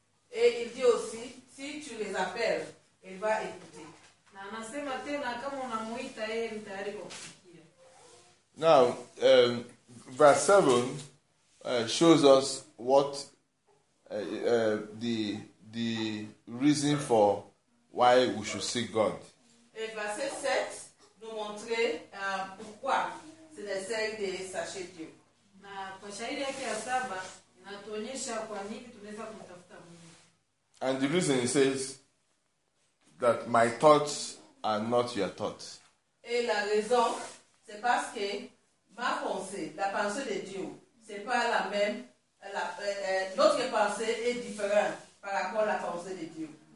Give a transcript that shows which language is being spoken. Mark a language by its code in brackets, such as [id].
[fr] Et il dit aussi si tu les appelles, il va écouter. [sw] Na anasema tena kama unamuita yeye mtayari kwa kusikia. [en] Now, verse 7 shows us what the reason for why we should seek God. [fr] Et verset 7 nous montre pourquoi c'est nécessaire de chercher Dieu. [sw] Na kwa shairi yake ya 7 inatuonyesha kwa nini tunaweza kumtafuta Mungu. [en] And the reason it says that my thoughts are not your thoughts. [fr] Et la raison c'est parce que ma pensée, la pensée de Dieu, c'est pas la même. Notre pensée est différente par rapport à la pensée de Dieu.